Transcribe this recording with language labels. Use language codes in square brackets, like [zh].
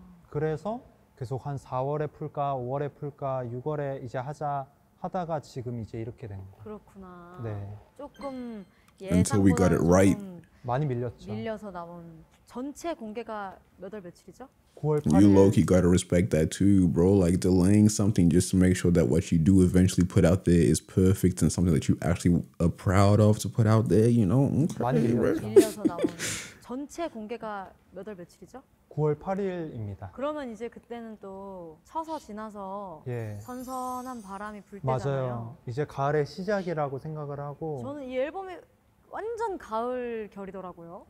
[ko] 그래서 계속 한 4월에 풀까, 5월에 풀까, 6월에 이제 하자 하다가 지금 이제 이렇게 된 거예요. 그렇구나. 네. 조금 예상보다 [en] right. [ko] 많이 밀렸죠. 밀려서 나온 전체 공개가 몇월 며칠이죠? 9월 8일. [en] You low-key gotta respect that too, bro. Like delaying something just to make sure that what you do eventually put out there is perfect and something that you actually are proud of to put out there, you know? [ko] Okay. 많이 밀렸죠. 밀려서 나온 전체 공개가 몇월 며칠이죠? 9월 8일입니다. 그러면 이제 그때는 또 쳐서 지나서 예. 선선한 바람이 불 때잖아요. 맞아요. 이제 가을의 시작이라고 생각을 하고 저는 이 앨범이 완전 가을 결이더라고요.